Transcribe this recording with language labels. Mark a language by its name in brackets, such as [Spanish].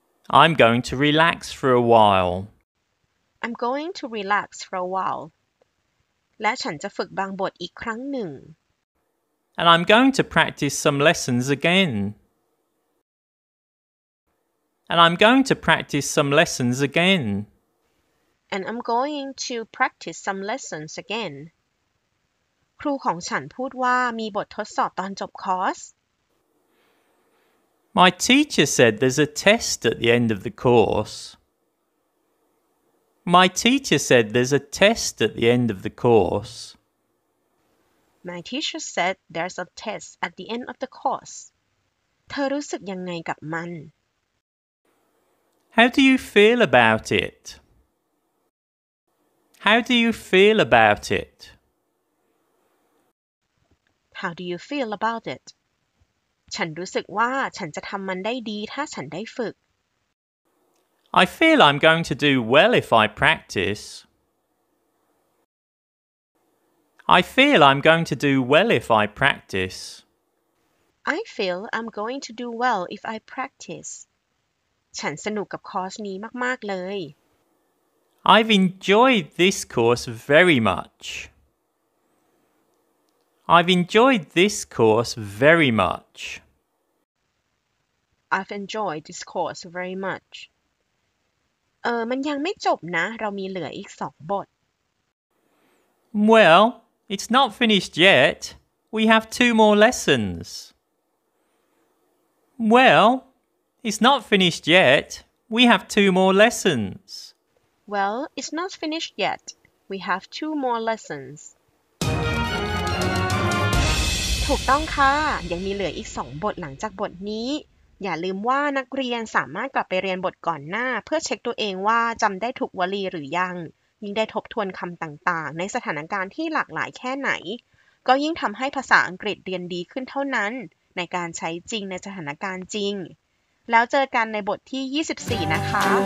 [English] I'm going to relax for a while. I'm going to relax for a while. [Thai] และฉันจะฝึกบางบทอีกครั้งหนึ่ง [English] And I'm going to practice some lessons again. And I'm going to practice some lessons again. And I'm going to practice some lessons again. [Thai] ครูของฉันพูดว่ามีบททดสอบตอนจบคอร์ส [English] My teacher said there's a test at the end of the course. My teacher said there's a test at the end of the course. My teacher said there's a test at the end of the course. [Thai] เธอรู้สึกยังไงกับมัน [English] How do you feel about it? How do you feel about it? How do you feel about it? [Thai] ฉันรู้สึกว่าฉันจะทำมันได้ดีถ้าฉันได้ฝึก [English] I feel I'm going to do well if I practice. I feel I'm going to do well if I practice. I feel I'm going to do well if I practice. [Thai] ฉันสนุกกับคอร์สนี้มากๆเลย [English] I've enjoyed this course very much. I've enjoyed this course very much. I've enjoyed this course very much. [Thai] มันยังไม่จบนะเรามีเหลืออีก2บท [English] Well, it's not finished yet. We have two more lessons. Well, it's not finished yet. We have two more lessons. Well, it's not finished yet. We have two more lessons. [Thai] ถูกต้องค่ะยังมีเหลืออีก2บทหลังจากบทนี้อย่าลืมว่านักเรียนสามารถกลับไปเรียนบทก่อนหน้าเพื่อเช็คตัวเองว่าจำได้ถูกวลีหรือยังยิ่งได้ทบทวนคำต่างๆในสถานการณ์ที่หลากหลายแค่ไหนก็ยิ่งทำให้ภาษาอังกฤษเรียนดีขึ้นเท่านั้นในการใช้จริงในสถานการณ์จริงแล้วเจอกันในบทที่24นะคะ